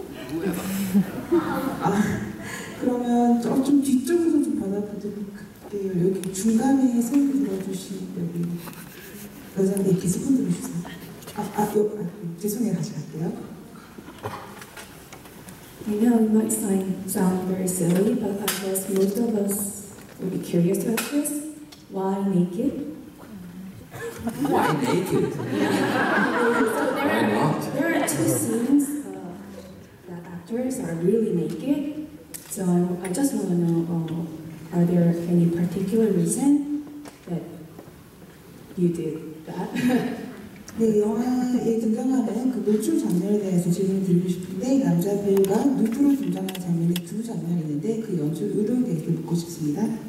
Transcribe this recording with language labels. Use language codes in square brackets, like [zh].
[en] Whoever. [ko] 그러면 좀 뒤쪽으로 좀 받아보도록 할게요. 갈게요. 여기 중간에 손 들어주신 여기 여자한테 이렇게 손 들어주세요. 죄송해요. 다시 갈게요. [en] I know it might sound very silly, but I guess most of us would be curious about this. Why naked? Why naked? There are two scenes that actors are really naked. So I just want to know, are there any particular reason that you did that? [ko] 네, 영화에 등장하는 그 노출 장면에 대해서 질문 드리고 싶은데 남자들과 누드로 등장하는 장면이 두 장면이 있는데 그 연출 의도에 대해서 묻고 싶습니다.